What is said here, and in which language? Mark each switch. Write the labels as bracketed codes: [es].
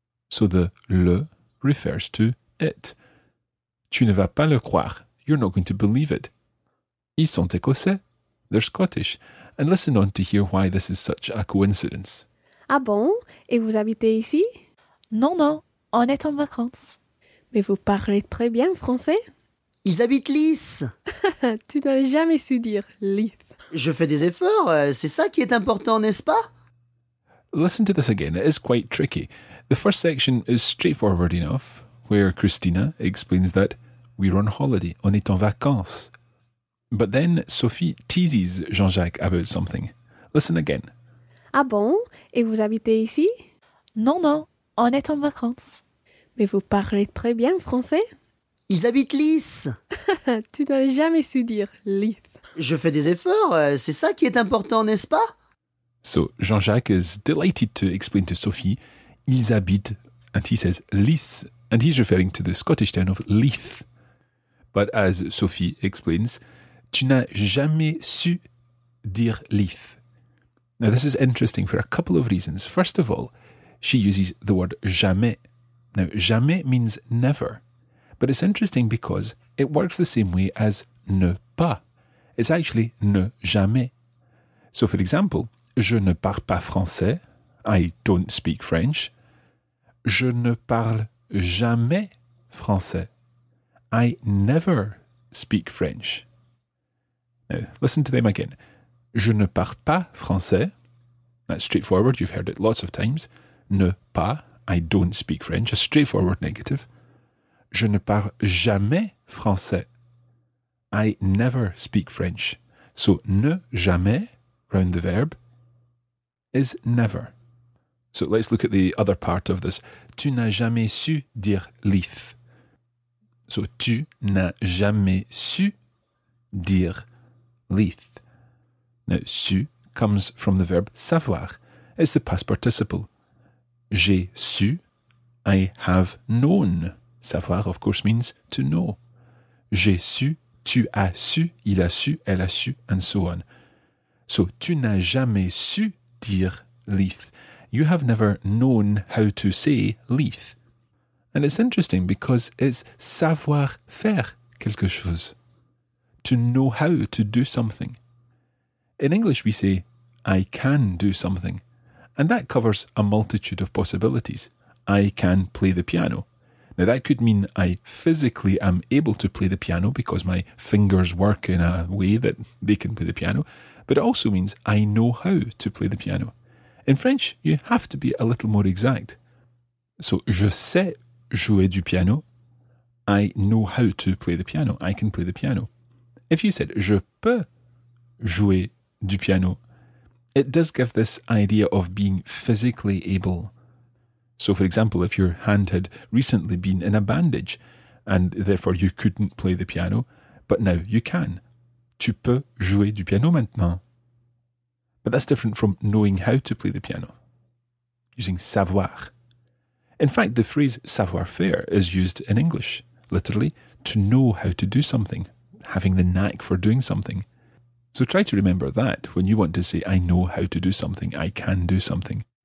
[en] So the le refers to it. [fr] Tu ne vas pas le croire. [en] You're not going to believe it. [fr] Ils sont écossais. [en] They're Scottish. And listen on to hear why this is such a coincidence. [fr] Ah bon? Et vous habitez ici? Non, non. On est en vacances. Mais vous parlez très bien français. Ils habitent Lys. Tu n'as jamais su dire Lys. Je fais des efforts. C'est ça qui est important, n'est-ce pas? [en] Listen to this again. It is quite tricky. The first section is straightforward enough, where Christina explains that we're on holiday, [fr] on est en vacances. [en] But then Sophie teases Jean-Jacques about something. Listen again. [fr] Ah bon? Et vous habitez ici? Non, non, on est en vacances. Mais vous parlez très bien français. Ils habitent Lys. Tu n'as jamais su dire Lys. Je fais des efforts, c'est ça qui est important, n'est-ce pas? [en] So Jean-Jacques is delighted to explain to Sophie, [fr] ils habitent, [en] and he says, Lys, and he's referring to the Scottish town of Leith. But as Sophie explains, [fr] tu n'as jamais su dire Leith. [en] Now this is interesting for a couple of reasons. First of all, she uses the word jamais. Now jamais means never, but it's interesting because it works the same way as ne pas. It's actually ne jamais. So for example, [fr] je ne parle pas français. [en] I don't speak French. [fr] Je ne parle jamais français. [en] I never speak French. Now, listen to them again. [fr] Je ne parle pas français. [en] That's straightforward. You've heard it lots of times. Ne pas. I don't speak French. A straightforward negative. [fr] Je ne parle jamais français. [en] I never speak French. So, ne jamais, round the verb, is never. So let's look at the other part of this. [fr] Tu n'as jamais su dire Leith. So tu n'as jamais su dire Leith. [en] Now, su comes from the verb savoir. It's the past participle. [fr] J'ai su, [en] I have known. Savoir, of course, means to know. [fr] J'ai su, tu as su, il a su, elle a su, [en] and so on. [fr] So, tu n'as jamais su dire Leith. [en] You have never known how to say Leith. And it's interesting because it's [fr] savoir faire quelque chose. [en] To know how to do something. In English, we say, I can do something. And that covers a multitude of possibilities. I can play the piano. Now, that could mean I physically am able to play the piano because my fingers work in a way that they can play the piano. But it also means I know how to play the piano. In French, you have to be a little more exact. [fr] So, je sais jouer du piano. [en] I know how to play the piano. I can play the piano. If you said, [fr] je peux jouer du piano, [en] it does give this idea of being physically able. So, for example, if your hand had recently been in a bandage and therefore you couldn't play the piano, but now you can. [fr] Tu peux jouer du piano maintenant. [en] But that's different from knowing how to play the piano, using savoir. In fact, the phrase savoir-faire is used in English, literally, to know how to do something, having the knack for doing something. So try to remember that when you want to say, I know how to do something, I can do something.